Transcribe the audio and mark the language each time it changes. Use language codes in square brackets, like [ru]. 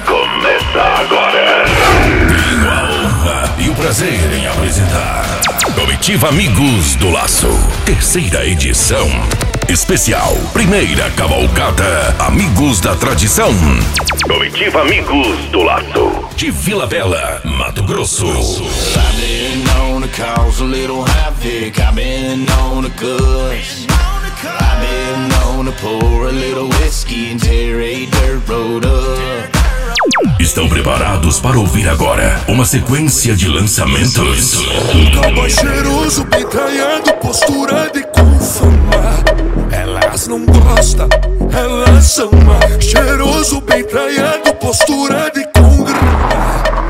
[pt] Começa agora. Tenho a honra e o prazer em apresentar Comitiva Amigos do Laço, terceira edição. Especial, primeira cavalgada, Amigos da Tradição. Comitiva Amigos do Laço, de Vila Bela, Mato Grosso. [en] I've been known to cause a little havoc, I've been known to cuss. I've been known to pour a little whiskey and tear a dirt road up. [pt] Estão preparados para ouvir agora uma sequência de lançamentos? Um cowboy cheiroso, bem talhado, postura de confama. Elas não gostam, elas ama. Cheiroso, bem talhado, postura de congrama.